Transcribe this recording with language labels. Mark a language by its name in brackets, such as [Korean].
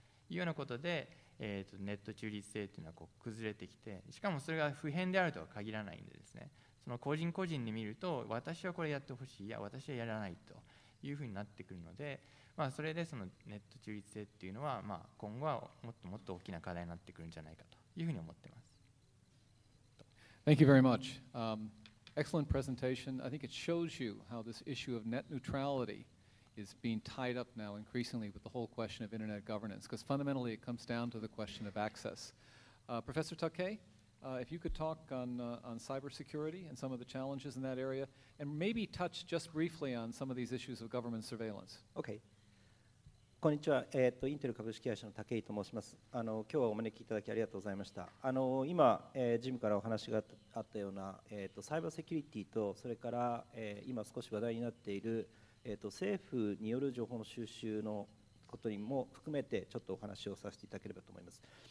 [Japanese] いうようなことで、ネット中立性というのはこう崩れてきて、しかもそれが普遍であるとは限らないんでですね、その個人個人で見ると私はこれやってほしい、いや私はやらないというふうになってくるので、まあそれでそのネット中立性っていうのは、まあ今後はもっともっと大きな課題になってくるんじゃないかというふうに思ってます。 [English] Thank you very much. Excellent presentation. I think it shows you how this issue of net neutralityis being tied up now increasingly with the whole question of internet governance, because fundamentally it comes down to the question of access. Professor Takei, if you could talk on cybersecurity and some of the challenges in that area, and maybe touch just briefly on some of these issues of government surveillance. [Japanese] Okay. こんにちは。インテル株式会社の Takei と申します。今日はお招きいただきありがとうございました。今、ジムからお話があったような、サイバーセキュリティと、それから、今少し話題になっている政府による情報の収集のことにも含めてちょっとお話をさせていただければと思います。